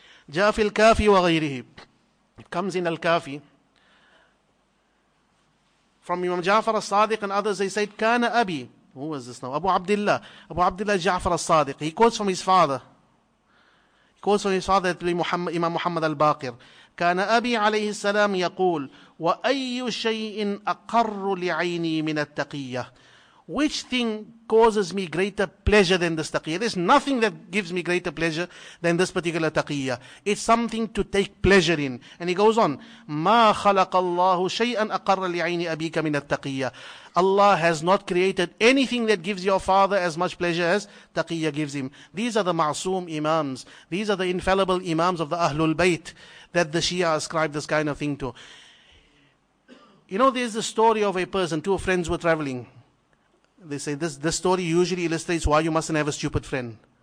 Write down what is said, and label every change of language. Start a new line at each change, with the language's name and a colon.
Arabic: جاء في الكافي وغيره.
English: It comes in Al-Kafi. From Imam Ja'far al-Sadiq and others, they said,
Arabic: كان أبي.
English: Who was this now? Abu Abdullah. Abu Abdullah Ja'far al-Sadiq. He quotes from his father. He quotes from his father, Imam Muhammad al-Baqir.
Arabic: كان أبي عليه السلام يقول, وأي شيء أقر لعيني من التقية.
English: Which thing causes me greater pleasure than this taqiyya? There's nothing that gives me greater pleasure than this particular taqiyya. It's something to take pleasure in. And he goes on,
Arabic: مَا خَلَقَ اللَّهُ شَيْئًا أَقَرَّ لِعَيْنِ أَبِيكَ مِنَ التَّقِيَّةِ.
English: Allah has not created anything that gives your father as much pleasure as taqiyya gives him. These are the ma'soom imams. These are the infallible imams of the Ahlul Bayt that the Shia ascribe this kind of thing to. You know, there's the story of a person, two friends were traveling. They say, this story usually illustrates why you mustn't have a stupid friend.